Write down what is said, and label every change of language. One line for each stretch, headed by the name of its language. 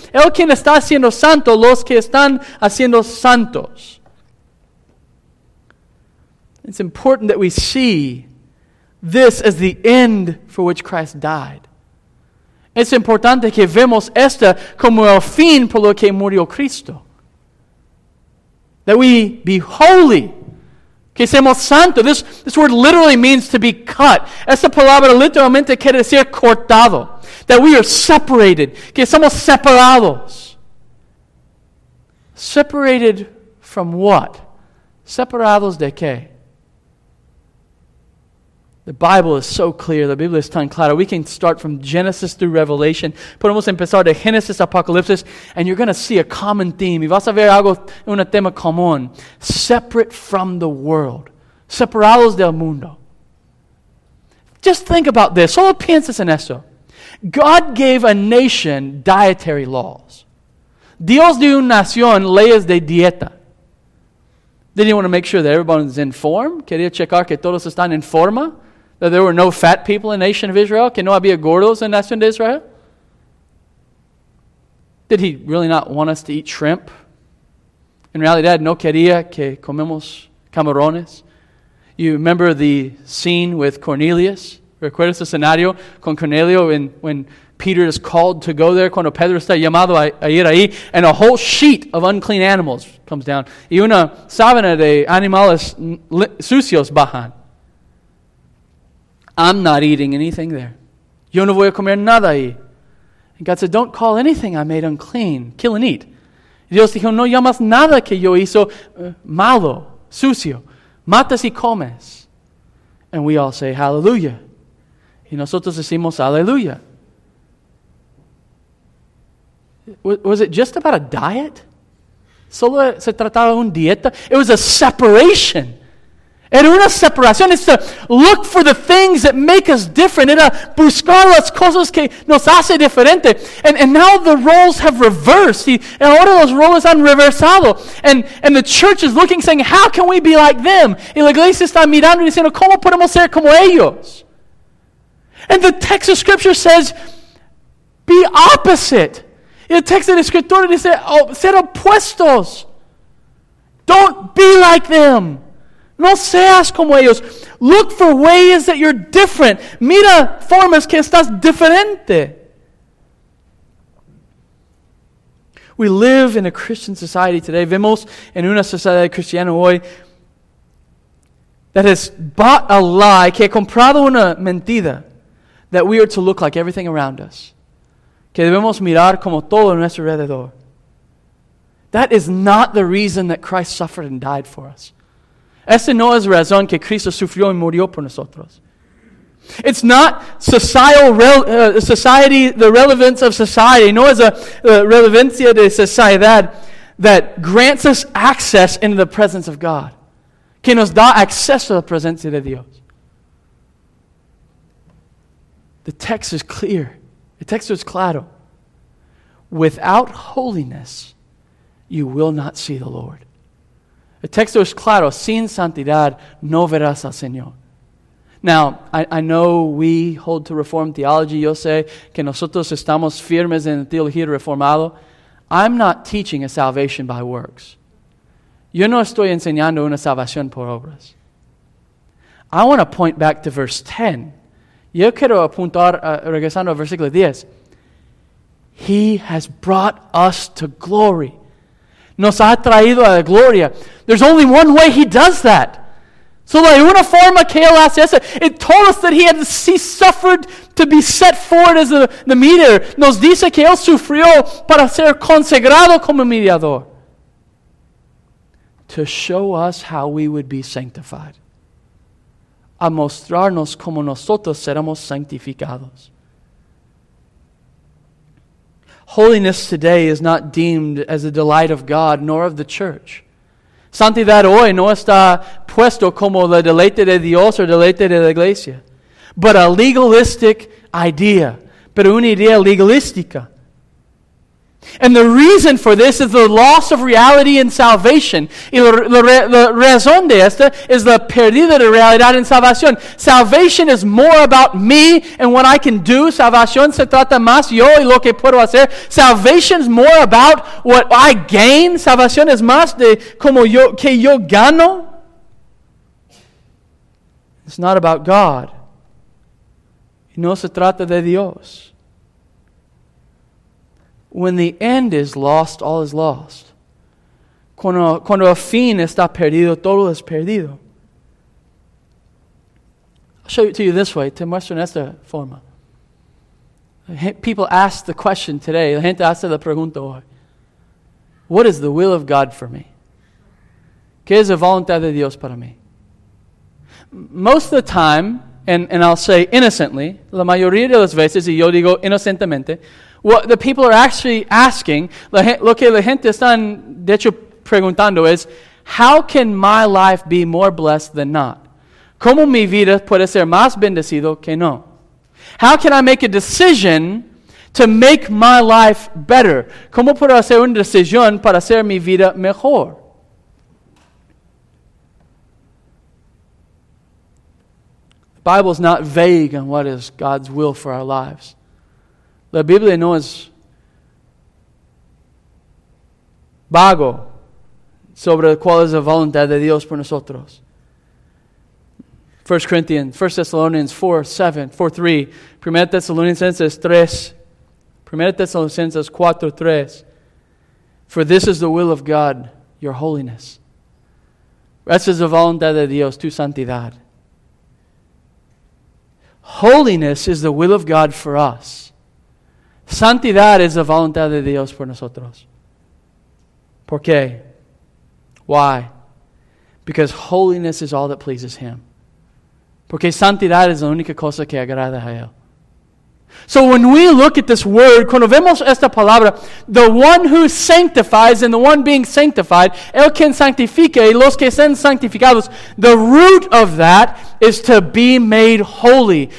Spanish: El quien está haciendo santo, los que están haciendo santos.
English: It's important that we see this as the end for which Christ died.
Spanish: Es importante que vemos esta como el fin por lo que murió Cristo.
English: That we be holy.
Spanish: Que seamos santo.
English: This word literally means to be cut.
Spanish: Esta palabra literalmente quiere decir cortado.
English: That we are separated.
Spanish: Que somos separados.
English: Separated from what?
Spanish: Separados de qué?
English: The Bible is so clear.
Spanish: La Biblia es tan clara.
English: We can start from Genesis through Revelation.
Spanish: Podemos empezar de Genesis, Apocalipsis,
English: and you're going to see a common theme.
Spanish: Y vas a ver algo, un tema común.
English: Separate from the world.
Spanish: Separados del mundo.
English: Just think about this.
Spanish: Solo piensas en eso.
English: God gave a nation dietary laws.
Spanish: Dios dio una nación leyes de dieta.
English: Didn't you want to make sure that everybody's in form?
Spanish: Quería checar que todos están en forma?
English: That there were no fat people in the nation of Israel?
Spanish: Que no había gordos en la nación de Israel?
English: Did he really not want us to eat shrimp?
Spanish: En realidad, no quería que comemos camarones.
English: You remember the scene with Cornelius?
Spanish: ¿Recuerdas el escenario con Cornelio
English: when Peter is called to go there,
Spanish: cuando Pedro está llamado a ir ahí,
English: and a whole sheet of unclean animals comes down.
Spanish: Y una sábana de animales sucios bajan.
English: I'm not eating anything there.
Spanish: Yo no voy a comer nada ahí.
English: And God said, don't call anything I made unclean. Kill and eat.
Spanish: Dios dijo, no llamas nada que yo hizo malo, sucio. Matas y comes.
English: And we all say, hallelujah.
Spanish: Y nosotros decimos, aleluya.
English: Was it just about a diet?
Spanish: Solo se trataba de una dieta?
English: It was a separation.
Spanish: Era una separación.
English: It's to look for the things that make us different.
Spanish: Era buscar las cosas que nos hace diferente.
English: And now the roles have reversed. And
Spanish: ahora los roles han reversado.
English: And the church is looking, saying, how can we be like them?
Spanish: Y la iglesia está mirando y diciendo, ¿cómo podemos ser como ellos?
English: And the text of Scripture says, be opposite.
Spanish: El texto de la Escritura dice, oh, ser opuestos.
English: Don't be like them.
Spanish: No seas como ellos.
English: Look for ways that you're different.
Spanish: Mira formas que estás diferente.
English: We live in a Christian society today.
Spanish: Vemos en una sociedad cristiana hoy that has bought a lie, que ha comprado una mentira,
English: that we are to look like everything around us.
Spanish: Que debemos mirar como todo a nuestro alrededor.
English: That is not the reason that Christ suffered and died for us.
Spanish: Esa no es la razón que Cristo sufrió y murió por nosotros.
English: It's not society, the relevance of society,
Spanish: no es la relevancia de sociedad
English: that grants us access into the presence of God.
Spanish: Que nos da acceso a la presencia de Dios.
English: The text is clear. The text is
Spanish: claro.
English: Without holiness, you will not see the Lord.
Spanish: El texto es claro, sin santidad no verás al Señor.
English: Now, I know we hold to Reformed theology.
Spanish: Yo sé que nosotros estamos firmes en teología reformado.
English: I'm not teaching a salvation by works.
Spanish: Yo no estoy enseñando una salvación por obras.
English: I want to point back to verse 10.
Spanish: Yo quiero apuntar, regresando al versículo 10.
English: He has brought us to glory.
Spanish: Nos ha traído a la gloria.
English: There's only one way he does that.
Spanish: Solo hay una forma que él hace eso.
English: It told us that he suffered to be set forward as the mediator.
Spanish: Nos dice que él sufrió para ser consagrado como mediador.
English: To show us how we would be sanctified.
Spanish: A mostrarnos como nosotros seremos santificados.
English: Holiness today is not deemed as a delight of God nor of the church.
Spanish: Santidad hoy no está puesto como la deleite de Dios o deleite de la iglesia.
English: But a legalistic idea.
Spanish: Pero una idea legalística.
English: And the reason for this is the loss of reality and salvation.
Spanish: Y la razón de esta es la pérdida de realidad en salvación.
English: Salvation is more about me and what I can do.
Spanish: Salvación se trata más yo y lo que puedo hacer.
English: Salvation is more about what I gain.
Spanish: Salvación es más de como yo, que yo gano.
English: It's not about God.
Spanish: Y no se trata de Dios.
English: When the end is lost, all is lost.
Spanish: Cuando el fin está perdido, todo es perdido.
English: I'll show it to you this way,
Spanish: te muestro en esta forma.
English: People ask the question today,
Spanish: la gente hace la pregunta hoy.
English: What is the will of God for me?
Spanish: ¿Qué es la voluntad de Dios para mí?
English: Most of the time, and I'll say innocently,
Spanish: la mayoría de las veces, y yo digo inocentemente,
English: what the people are actually asking,
Spanish: lo que la gente están de hecho preguntando es,
English: how can my life be more blessed than not?
Spanish: ¿Cómo mi vida puede ser más bendecido que no?
English: How can I make a decision to make my life better?
Spanish: ¿Cómo puedo hacer una decisión para hacer mi vida mejor?
English: Bible is not vague on what is God's will for our lives.
Spanish: La Biblia no es vago sobre cuál es la voluntad de Dios por nosotros.
English: 1 Corinthians, 1 Thessalonians 4, 7, 4, 3. 1 Thessalonians 3. 1 Thessalonians 4, 3. For this is the will of God, your holiness.
Spanish: Esa es la voluntad de Dios, tu santidad.
English: Holiness is the will of God for us.
Spanish: Santidad es la voluntad de Dios por nosotros. ¿Por qué?
English: Why? Because holiness is all that pleases Him.
Spanish: Porque santidad es la única cosa que agrada a Él.
English: So when we look at this word,
Spanish: cuando vemos esta palabra,
English: the one who sanctifies and the one being sanctified,
Spanish: el quien sanctifica y los que sean santificados,
English: the root of that is to be made holy.